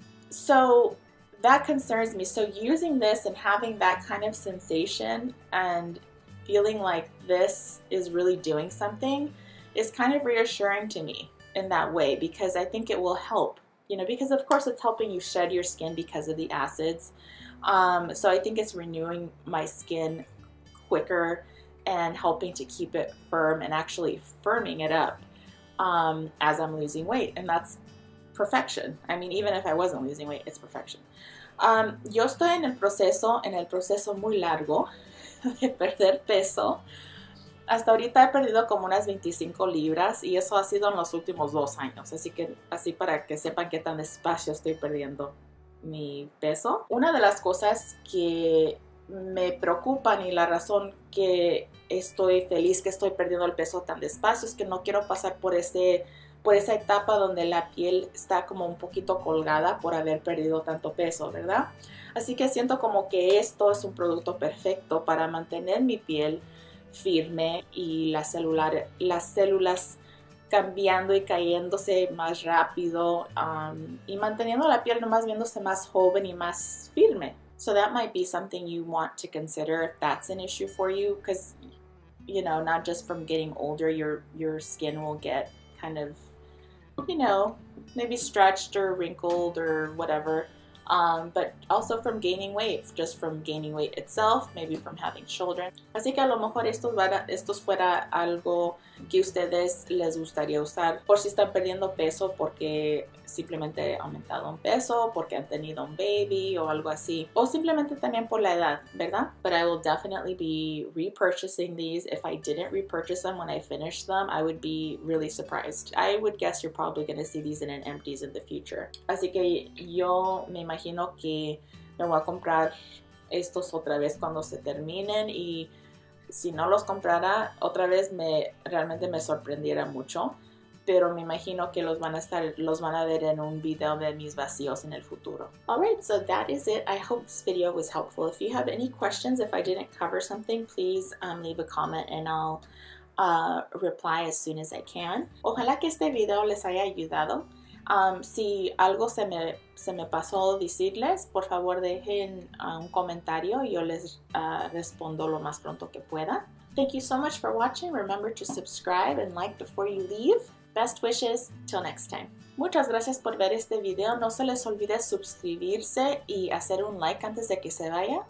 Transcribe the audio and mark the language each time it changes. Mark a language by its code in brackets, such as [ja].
[en] So that concerns me. So using this and having that kind of sensation and feeling like this is really doing something is kind of reassuring to me in that way, because I think it will help, you know, because of course it's helping you shed your skin because of the acids. So I think it's renewing my skin quicker and helping to keep it firm and actually firming it up as I'm losing weight. And that's perfection. I mean, even if I wasn't losing weight, it's perfection. [es] Yo estoy en el proceso muy largo de perder peso. Hasta ahorita he perdido como unas 25 libras y eso ha sido en los últimos 2 años. Así que así para que sepan qué tan despacio estoy perdiendo mi peso. Una de las cosas que me preocupan y la razón que estoy feliz que estoy perdiendo el peso tan despacio es que no quiero pasar por esa etapa donde la piel está como un poquito colgada por haber perdido tanto peso, ¿verdad? Así que siento como que esto es un producto perfecto para mantener mi piel firme y las células cambiando y cayéndose más rápido, y manteniendo la piel nomás viéndose más joven y más firme. [en] So that might be something you want to consider if that's an issue for you, because, you know, not just from getting older, your skin will get kind of, you know, maybe stretched or wrinkled or whatever. But also from gaining weight, just from gaining weight itself, maybe from having children. [es] Así que a lo mejor esto fuera algo que ustedes les gustaría usar por si están perdiendo peso porque simplemente han aumentado un peso, porque han tenido un baby o algo así. O simplemente también por la edad, ¿verdad? [en] But I will definitely be repurchasing these. If I didn't repurchase them when I finished them, I would be really surprised. I would guess you're probably going to see these in an empties in the future. [es] Así que yo me imagino que me voy a comprar estos otra vez cuando se terminen, y si no los comprara otra vez realmente me sorprendiera mucho, pero me imagino que los van a ver en un video de mis vacíos en el futuro. [en] All right, so that is it. I hope this video was helpful. If you have any questions, if I didn't cover something, please leave a comment and I'll reply as soon as I can. [es] Ojalá que este video les haya ayudado. Si algo se me pasó decirles, por favor dejen un comentario y yo les respondo lo más pronto que pueda. [en] Thank you so much for watching. Remember to subscribe and like before you leave. Best wishes, till next time. [es] Muchas gracias por ver este video. No se les olvide suscribirse y hacer un like antes de que se vaya.